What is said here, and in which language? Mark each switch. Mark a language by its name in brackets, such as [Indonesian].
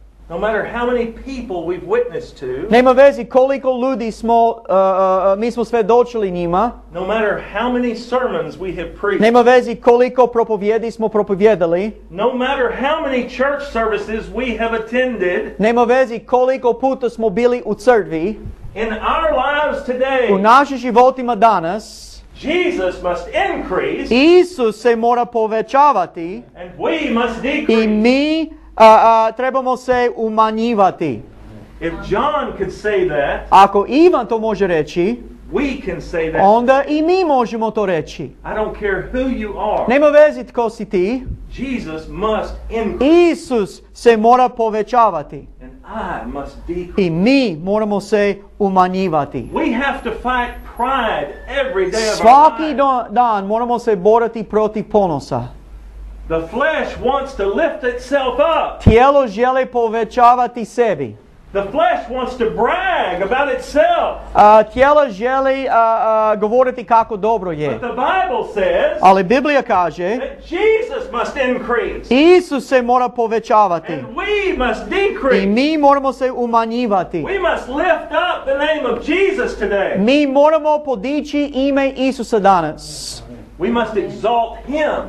[English] No matter how many people we've witnessed to. [Croatian] Nema veze koliko ljudi smo mi smo svedočili njima. [English] No matter how many sermons we have preached. [Croatian] Nema veze koliko propovjedi smo propovjedali. [English] No matter how many church services we have attended. [Croatian] Nema veze koliko puta smo bili u crkvi. [English] In our lives today. [Croatian] U našim životima danas. [English] Jesus must increase. [Croatian] Isus se mora povećavati. [English] And we must decrease. [Croatian] I mi trebamo se umanjivati. [English] If John could say that, [Croatian] ako Ivan to može reći, [English] we can say that. [Croatian] Onda i mi možemo to reći. [English] I don't care who you are. [Croatian] Nema veze tko si ti. [English] Jesus must increase. [Croatian] Isus se mora povećavati. [English] And I must decrease. [Croatian] I mi moramo se umanjivati. [English] We have to fight pride every day of our life. [Croatian] Svaki dan moramo se boriti protiv ponosa. [English] The flesh wants to lift itself up. [Croatian] Tijelo želi povećavati sebi. [English] The flesh wants to brag about itself. [Croatian] Tijelo želi govoriti kako dobro je. [English] But the Bible says. [Croatian] Ali Biblija kaže. [English] That Jesus must increase. [Croatian] Isus se mora povećavati. [English] And we must decrease. [Croatian] I mi moramo se umanjivati. [English] We must lift up the name of Jesus today. [Croatian] Mi moramo podići ime Isusa danas. [English] We must exalt him.